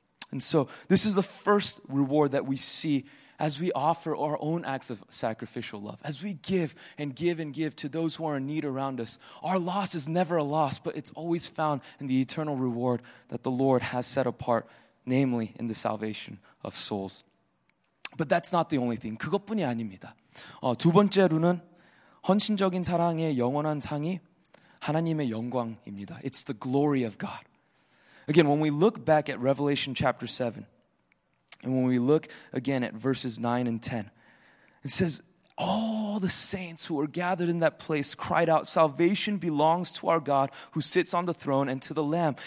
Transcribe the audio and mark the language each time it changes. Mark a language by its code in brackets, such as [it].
[en] And so this is the first reward that we see as we offer our own acts of sacrificial love. As we give and give and give to those who are in need around us, our loss is never a loss, but it's always found in the eternal reward that the Lord has set apart, namely in the salvation of souls. But that's not the only thing. [ko] 그것뿐이 아닙니다. 두 번째로는 헌신적인 사랑의 영원한 상이 하나님의 영광입니다. [en] It's the glory of God. Again, when we look back at Revelation chapter 7, and when we look again at verses 9 and 10, it says, all the saints who were gathered in that place cried out, salvation belongs to our God who sits on the throne and to the Lamb.